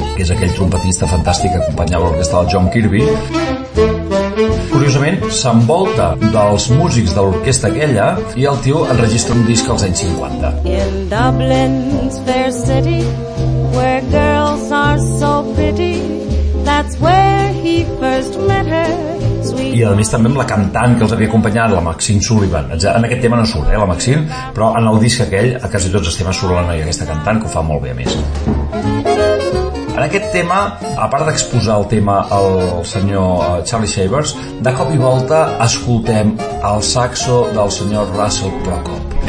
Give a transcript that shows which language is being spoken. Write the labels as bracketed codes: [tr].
[ca] Aquell trompetista fantàstic que acompanyava l'orquestra del John Kirby. Curiosament, s'envolta dels músics de l'orquestra aquella i el tio enregistra un disc als anys 50. [en] In Dublin's fair city, where girls are so pretty, that's where he first met her. [ca] I a més també amb la cantant que els havia acompanyat, la Maxine Sullivan. En aquest tema no surt, la Maxine, però en el disc aquell, a quasi tots els temes surt la noia aquesta cantant, que ho fa molt bé a més. En aquest tema, a part d'exposar el tema al senyor Charlie Shavers, de cop i volta escoltem el saxo del senyor Russell Prokop.